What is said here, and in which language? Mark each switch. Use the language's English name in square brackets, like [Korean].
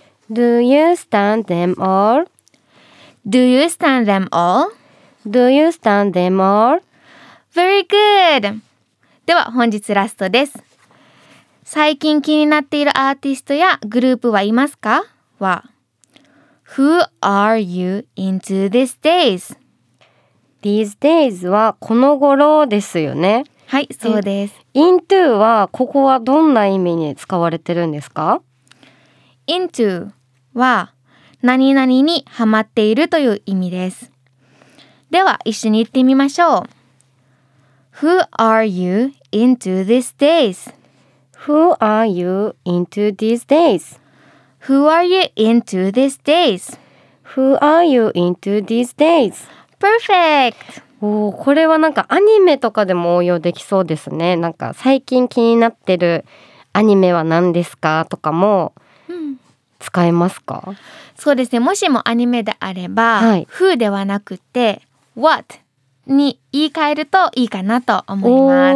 [English] Do you stan them all? Do you stan them all? Do you stan them all? Very good. [Japanese] では本日ラストです。最近気になっているアーティストやグループはいますか? [English] は Who are you into these days? These days [Japanese] はこの頃ですよね。はい、そうです。 Into はここはどんな意味に使われてるんですか? Into は何々にハマっているという意味です。では一緒に言ってみましょう。 [English] Who are you into these days? Who are you into these days? Who are you into these days? Who are you into these days? Perfect! [Japanese] おー、これはなんかアニメとかでも応用できそうですね。なんか最近気になってるアニメは何ですかとかも使えますか、うん、そうですね。もしもアニメであれば、はい、 Who ではなくて What に言い換えるといいかなと思います。